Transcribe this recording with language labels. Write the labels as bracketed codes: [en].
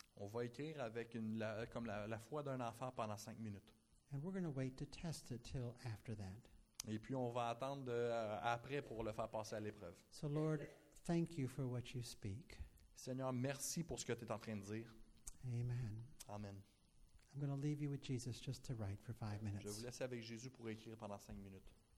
[fr] On va écrire avec la foi d'un enfant pendant 5 minutes. [en] And we're going to wait to test it till after that. [fr] Et puis on va attendre après pour le faire passer à l'épreuve. [en] So Lord, thank you for what you speak. [fr] Seigneur, merci pour ce que tu es en train de dire. [en] Amen. [fr] Amen. [en] I'm going to leave you with Jesus just to write for 5 minutes. [fr] Je vous laisse avec Jésus pour écrire pendant 5 minutes.